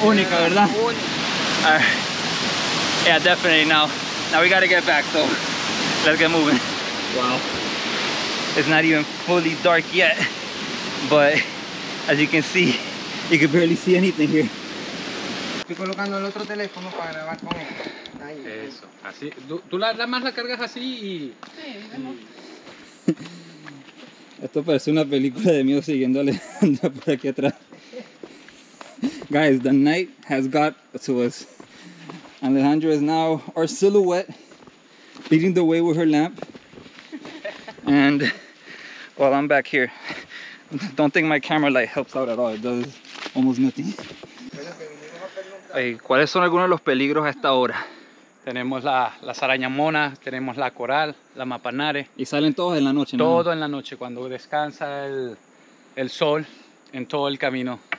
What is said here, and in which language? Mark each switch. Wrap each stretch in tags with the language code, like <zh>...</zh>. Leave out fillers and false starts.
<es>Única, ¿verdad? Única.</es> <en>All right. Yeah, definitely now. Now we gotta get back, so let's get moving. Wow. It's not even fully dark yet. But as you can see, you can barely see anything here.</en> <es>Estoy colocando el otro teléfono para grabar con él. Eso. Así. Tú la más la cargas así y. Sí, vemos. Esto parece una película de miedo siguiendo a Alejandra por aquí atrás.</es> <en>Guys, the night has got to us. Alejandra is now our silhouette, leading the way with her lamp. And while I'm back here. Don't think my camera light helps out at all. It does almost nothing.</en> <es>Hey, ¿cuáles son algunos de los peligros a esta hora? Tenemos las arañas monas, tenemos la coral, la mapanare. ¿Y salen todos en la noche? Todo en la noche, cuando descansa el sol en todo el camino.</es>